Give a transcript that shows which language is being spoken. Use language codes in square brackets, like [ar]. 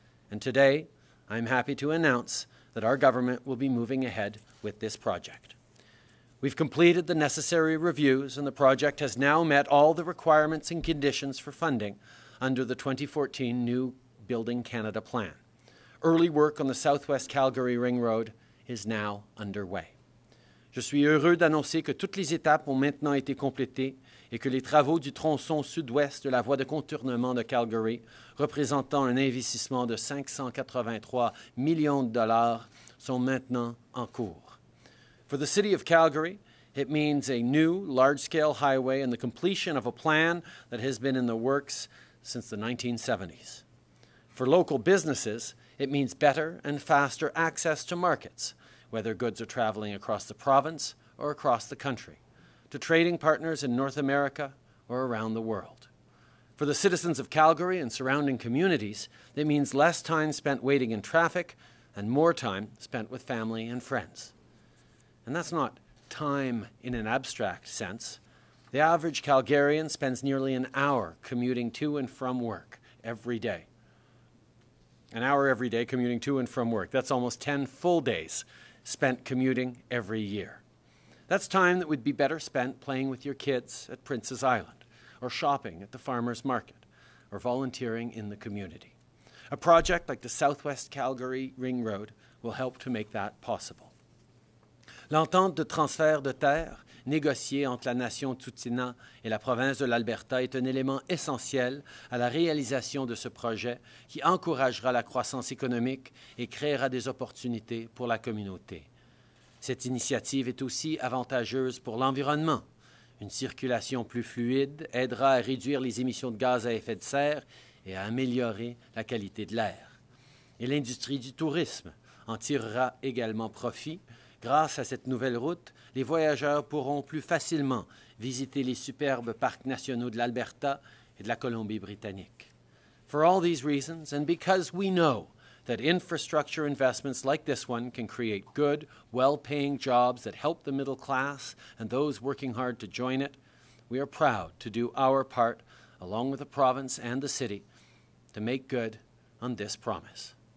[en] And today, I'm happy to announce that our government will be moving ahead with this project. We've completed the necessary reviews, and the project has now met all the requirements and conditions for funding under the 2014 new Building Canada plan. Early work on the Southwest Calgary Ring Road is now underway. [fr] Je suis heureux d'annoncer que toutes les étapes ont maintenant été complétées et que les travaux du tronçon sud-ouest de la voie de contournement de Calgary, représentant un investissement de $583 million, sont maintenant en cours. [en] For the city of Calgary, it means a new large-scale highway and the completion of a plan that has been in the works since the 1970s. For local businesses, it means better and faster access to markets, whether goods are traveling across the province or across the country, to trading partners in North America or around the world. For the citizens of Calgary and surrounding communities, it means less time spent waiting in traffic and more time spent with family and friends. And that's not time in an abstract sense. The average Calgarian spends nearly an hour commuting to and from work every day. An hour every day commuting to and from work. That's almost 10 full days spent commuting every year. That's time that would be better spent playing with your kids at Prince's Island, or shopping at the farmer's market, or volunteering in the community. A project like the Southwest Calgary Ring Road will help to make that possible. [fr] L'entente de transfert de terre négociée entre la nation Tsutina et la province de l'Alberta est un élément essentiel à la réalisation de ce projet qui encouragera la croissance économique et créera des opportunités pour la communauté. Cette initiative est aussi avantageuse pour l'environnement. Une circulation plus fluide aidera à réduire les émissions de gaz à effet de serre et à améliorer la qualité de l'air. Et l'industrie du tourisme en tirera également profit. Grâce à cette nouvelle route, les voyageurs pourront plus facilement visiter les superbes parcs nationaux de l'Alberta et de la Colombie-Britannique. [en] For all these reasons, and because we know that infrastructure investments like this one can create good, well-paying jobs that help the middle class and those working hard to join it, we are proud to do our part, along with the province and the city, to make good on this promise.